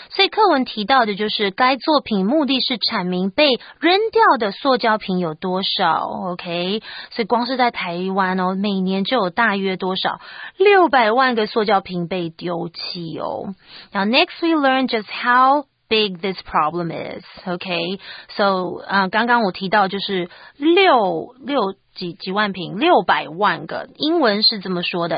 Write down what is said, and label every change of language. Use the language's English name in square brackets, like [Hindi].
[Chinese] 所以课文提到的就是该作品目的是阐明被扔掉的塑胶瓶有多少。 OK， 所以光是在台湾哦，每年就有大约多少600万个塑胶瓶被丢弃哦。 [English] Now, next we learn just how big this problem is, okay? [Chinese] So, 刚刚我提到就是六百万瓶，六百万个，英文是这么说的。